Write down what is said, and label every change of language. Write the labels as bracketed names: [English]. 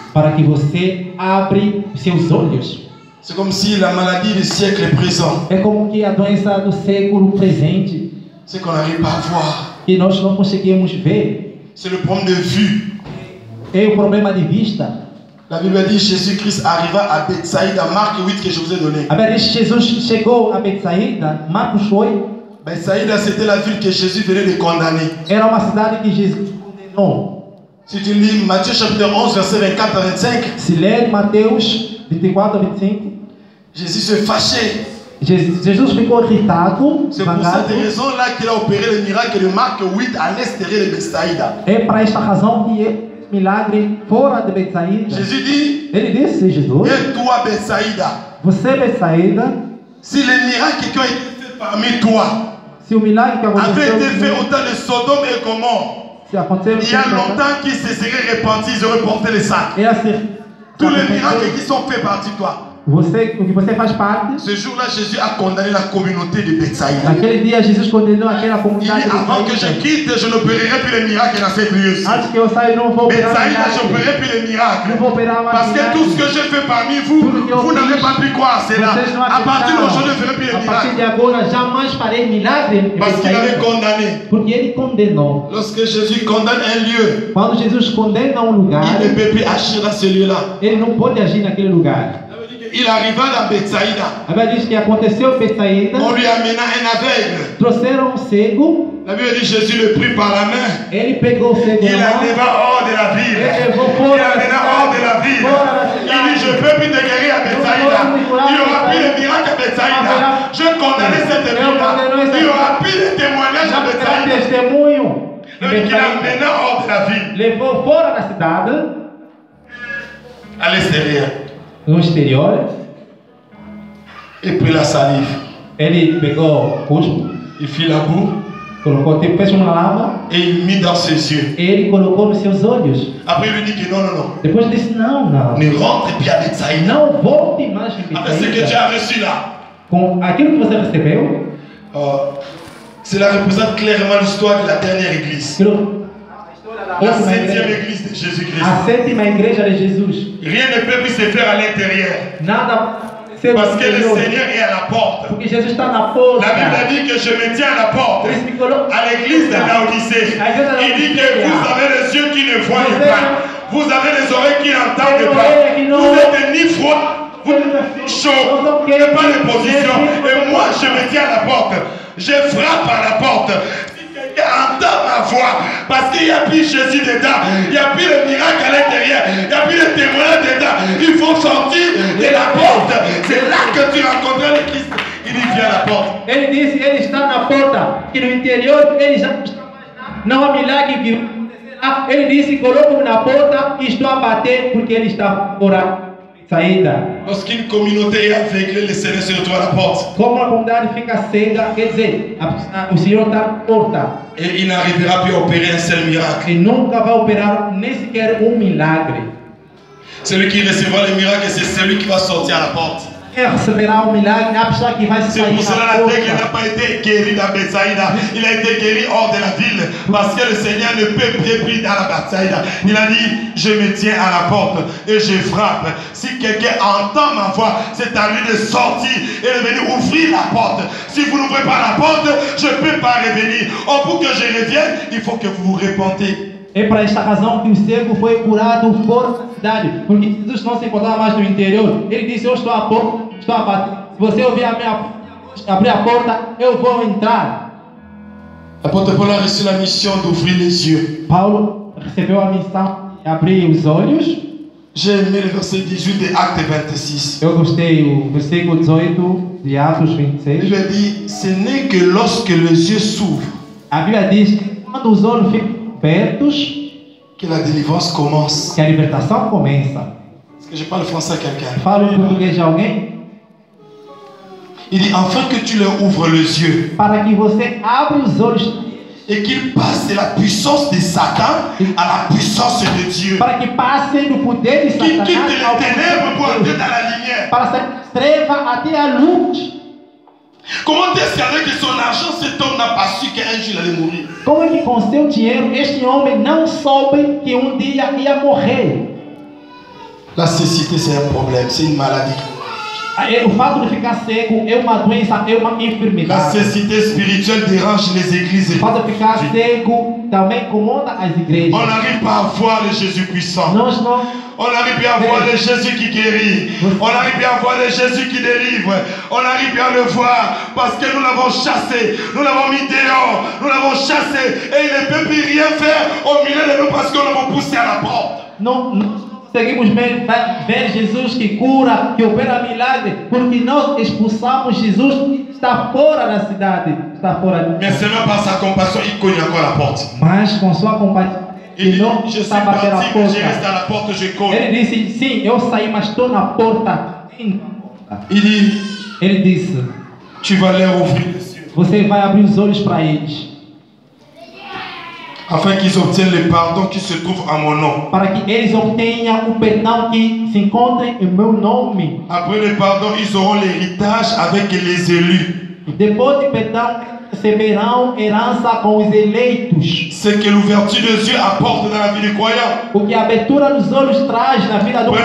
[Portuguese] Para que você abra seus olhos. [French] C'est comme si la maladie du siècle est présente. [Portuguese] É como que a doença do século presente. [French] C'est qu'on n'arrive pas à voir. [Portuguese] Que nós não conseguimos ver. [French] C'est le problème de vue. [Portuguese] É o problema de vista. [French] La Bible dit Jésus-Christ arriva à Bethsaïda, Marc 8 que je vous ai donné. [Portuguese] A ver, Jesus chegou a Bethsaïda, Marcos 8. [French] Bethsaïda, c'était la ville que Jésus venait de condamner. [Portuguese] Era uma cidade que Jesus condenou. [French] Si tu lis Matthieu chapitre 11 verset 24 à 25. [Portuguese] Se ler Mateus 24 à 25. [French] Jésus se fâchait. [Portuguese] Jésus ficou irritado. [French] C'est pour cette raison là qu'il a opéré le miracle de Marc 8 à l'extérieur de Bethsaïda. [Portuguese] É para esta razão que é milagre fora de Bethsaïda. [French] Jésus dit. [Portuguese] Ele disse Jesus. [French] Et toi Bethsaïda. [Portuguese] Você Bethsaïda. [French] Si les miracles qui ont été faits parmi toi. [Portuguese] Se o milagre que aconteceu. [French] Avait été fait autant de Sodome et Gomorre. Il y a longtemps qu'ils se seraient repentis, ils auraient porté les sacs. Tous les miracles qui sont faits partie de toi. [Portuguese] Você, o que você faz parte? [French] Ce jour-là, Jésus a condamné la communauté de Bethsaïda. [Portuguese] Naquele dia, Jesus condenou aquela comunidade. [French] Il dit, avant que je quitte, je n'opérerai plus les miracles dans cette lieu-ci. [Portuguese] Antes que eu saia, não vou [French] opérer miracles. Bethsaïda, j'opérerai plus les miracles. [Portuguese] Não vou opérer mais [French] miracles. Parce que tout ce que j'ai fait parmi vous, vous n'avez pas pu croire à cela. À partir de aujourd'hui, je ne ferai plus les miracles. [Portuguese] A partir de agora, jamais farei milagres. [French] Parce qu'il avait condamné. [Portuguese] Porque ele condenou. [French] Lorsque Jésus condamne un lieu. [Portuguese] Quando Jesus condena lugar. [French] Il ne peut plus agir dans ce lieu-là. [Portuguese] Ele não pode agir naquele lugar. [French] Il arriva da Bethsaïda. [Portuguese] A Bíblia diz que aconteceu em Bethsaïda. [French] On lui amena un aveugle. [Portuguese] Trouxeram um cego. [French] La Bible dit Jésus le prit par la main. [Portuguese] Ele pegou o cego. [French] Il l'amena hors de la ville. Il l'amena hors de la ville. Il dit je peux plus te guérir à Bethsaïda. Il aura plus de miracles à Bethsaïda. Je condamne cette ville. Il aura plus de témoignages à Bethsaïda. [Portuguese] Testemunho. [French] Il l'amena hors de la ville. [Portuguese] Levou fora da cidade. [French] À l'extérieur. [Portuguese] No exterior. E pela saliva. Ele pegou o cuspo. E filabu. Colocou tipo peixe na lama. E me dá seus olhos. Ele colocou nos seus olhos. [French] Après, [Portuguese] ele disse, [French] non, non, non. [Portuguese] Depois ele disse não, não. [French] Ne rentre plus à Bethsaïda. [Portuguese] Não volte mais à Bethsaïda. [French] Avec ce que tu as reçu là. [Portuguese] Com aquilo que você recebeu. [French] Cela représente clairement l'histoire de la dernière église. La septième église de Jésus-Christ. Rien ne peut plus se faire à l'intérieur. [Portuguese] Nada. [French] Parce que le Seigneur est à la porte. [Portuguese] Porque Jesus está na porta. [French] La Bible dit que je me tiens à la porte. À l'église de Laodicée. Il dit que vous avez les yeux qui ne voient pas. Vous avez les oreilles qui n'entendent pas. Vous n'êtes ni froid, vous n'êtes chaud. Vous n'avez pas de position. Et moi, je me tiens à la porte. Je frappe à la porte. Entends ma voix, parce qu'il n'y a plus Jésus dedans, il n'y a plus le miracle à l'intérieur, il n'y a plus le témoin dedans. Il faut sortir de la porte. C'est là que tu rencontres le Christ. Il dit viens à la porte. [Portuguese] Ele disse, ele está na porta, que no interior ele já não está mais nada. Não há milagre que vai acontecer Ele disse, coloco-me na porta e estou a bater porque ele está fora. Saída. [French] Lorsqu'une communauté est aveuglée, le Seigneur se retrouve à la porte. [Portuguese] Como a comunidade fica cega, quer dizer, o Senhor está à porta. [French] E il n'arrivera plus à opérer un seul miracle. [Portuguese] Ele nunca vai operar nem sequer milagre. [French] Celui qui recevra le miracle, c'est celui qui va sortir à la porte. [Portuguese] Quem receberá o milagre, a pessoa que vai sair da porta. [French] C'est pour cela que n'a pas été guéri da Bethsaida. Il a été guéri hors de la ville. Parce que le Seigneur ne peut plus être dans la Bethsaida. Il a dit, je me tiens à la porte et je frappe. Si quelqu'un entend ma voix, c'est à lui de sortir et de venir ouvrir la porte. Si vous n'ouvrez pas la porte, je ne peux pas revenir. Or, pour que je revienne, il faut que vous vous repentez. [Portuguese] É para esta razão que o cego foi curado fora da cidade. Porque Jesus não se encontrava mais no interior. Ele disse, eu estou à porta, estou a bater. Se você ouvir a minha voz, abrir a porta, eu vou entrar. Apóstolo Paulo recebeu a missão de abrir os olhos. Paulo recebeu a missão de abrir os olhos. [French] J'ai aimé le verset 18 de Actes 26. [Portuguese] Eu gostei do versículo 18 de Atos 26. Ele diz, [French] ce n'est que lorsque les yeux s'ouvrent. [Portuguese] A Bíblia diz, quando os olhos ficam [French] que la délivrance commence. [Portuguese] Que a libertação começa. [French] Est-ce que je parle français à quelqu'un? [Portuguese] Falo em português a alguém? [French] Il dit enfin que tu leur ouvres les yeux. [Portuguese] Para que você abra os olhos. [French] Et qu'il passe de la puissance de Satan à la puissance de Dieu. [Portuguese] Para que passe do poder de Satanás. [French] Qui quitte les ténèbres pour entrer dans la lumière. [Portuguese] Para sair das trevas até a luz. [French] Comment est-ce qu'avec son argent cet homme n'a pas su qu'un jour il allait mourir? [Portuguese] Como é que com seu dinheiro este homem não soube que dia ia morrer? [French] La cécité c'est un problème, c'est une maladie. [Portuguese] O fato de ficar cego é uma doença, é uma enfermidade. [French] La cécité spirituelle dérange les églises. [Portuguese] O fato de ficar cego também incomoda as igrejas. [French] On n'arrive pas à voir le Jésus puissant. Non. On n'arrive plus à voir le Jésus qui guérit. On n'arrive plus à voir le Jésus qui délivre. On n'arrive plus à le voir parce que nous l'avons chassé. Nous l'avons mis dehors. Nous l'avons chassé. Et il ne peut plus rien faire au milieu de nous parce que nous l'avons poussé à la porte. Non, nous [Portuguese] seguimos ver Jésus qui cura, qui opera milagres, porque nós expulsamos Jésus qui está fora da cidade. Está fora de... [French] Mais seulement par sa compassion, il cogne encore la porte. [Portuguese] Mas com sua compaixão. Ele disse, eu saí, mas estou na porta, [French] je cogne. [Portuguese] Ele disse, sim, eu saí, mas estou na porta. Ele disse, [French] tu vas leur ouvrir, [Portuguese] você vai abrir os olhos para eles. [French] Afin qu'ils obtiennent le pardon qui se trouve en mon nom. [Portuguese] Para que eles obtenham o perdão que se encontre em meu nome. [French] Après le pardon, ils auront l'héritage avec les élus. [Portuguese] Depois de perdão, receberão herança com os eleitos. [French] Ce que l'ouverture des yeux apporte dans la vie du croyant. [Portuguese] O que a abertura dos olhos traz na vida do crente.